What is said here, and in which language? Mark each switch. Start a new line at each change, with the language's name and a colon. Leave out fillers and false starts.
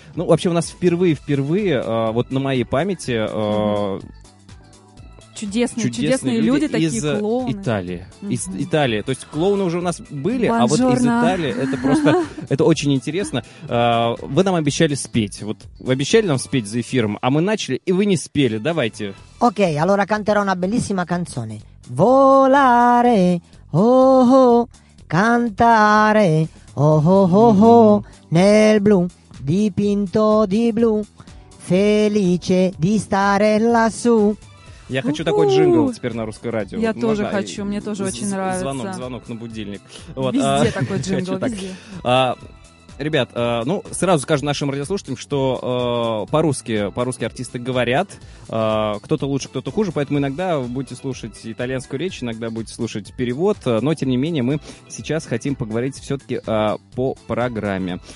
Russian: Ну, вообще, у нас впервые, вот на моей памяти. Чудесные люди, такие из клоуны. Италии. Mm-hmm. Из Италии. То есть клоуны уже у нас были, Бонжорно. А вот из Италии это просто, это очень интересно. Вы нам обещали спеть. Вот вы обещали нам спеть за эфиром, а мы начали, и вы не спели. Давайте.
Italian: Окей, allora canterò una bellissima canzone. Volare, о-хо, cantare, о-хо-хо-хо, nel blu, dipinto di blu, felice di stare lassù.
Russian: Я хочу такой джингл теперь на русское радио. Я тоже хочу, мне тоже очень нравится. Звонок на будильник. Вот, везде такой джингл, так. Везде. Ребят, ну, сразу скажу нашим радиослушателям, что по-русски артисты говорят, кто-то лучше, кто-то хуже, поэтому иногда вы будете слушать итальянскую речь, иногда будете слушать перевод, но, тем не менее, мы сейчас хотим поговорить все-таки по программе.